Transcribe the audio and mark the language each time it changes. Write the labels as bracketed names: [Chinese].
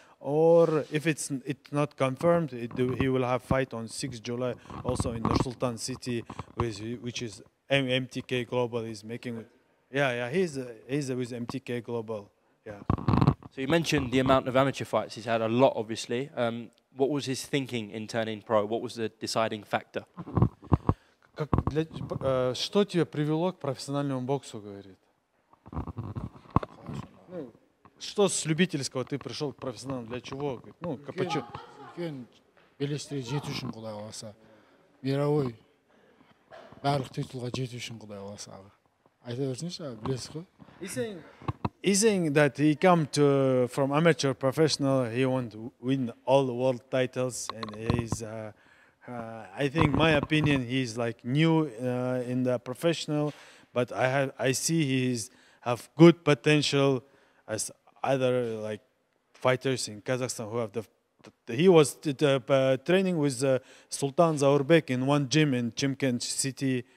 [English] Or if it's not confirmed, he will have fight on 6 July also in the Sultan City, which is MTK Global is making. Yeah, he's with MTK Global. Yeah. So you mentioned the amount of amateur fights he's had, a lot, obviously. What was his thinking in turning pro? What was the deciding factor? [Russian] Что тебя привело к профессиональному боксу, говорит? Что с любительского ты пришел к профессионалу? Для чего? Ну, почему? [Kazakh] Үлкен белестерге жету үшін, Құдай қаласа. [Russian] Мировой. [Kazakh] Барлық титулға жету үшін, Құдай қаласа. Айта берсінші, білесің ғой? [English] He's saying that he come to from amateur professional, he want to win all the world titles, and he's I think my opinion, he's like new in the professional, but I see he's have good potential as other like fighters in Kazakhstan who have training with Sultan Zaurbek in one gym in Chimkent City.